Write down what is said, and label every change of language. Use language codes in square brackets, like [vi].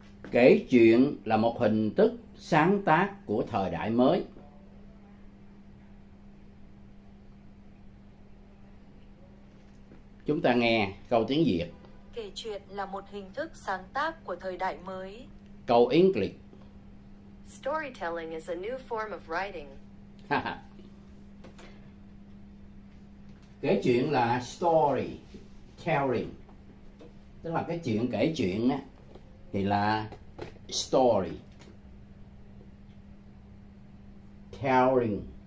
[vi] Kể chuyện là một hình thức sáng tác của thời đại mới. Chúng ta nghe câu tiếng Việt. Kể chuyện là một hình thức sáng tác của thời đại mới. Câu English. [en] Storytelling is a new form of writing. [vi] Kể chuyện là story telling. Tức là cái chuyện kể chuyện á thì là story telling.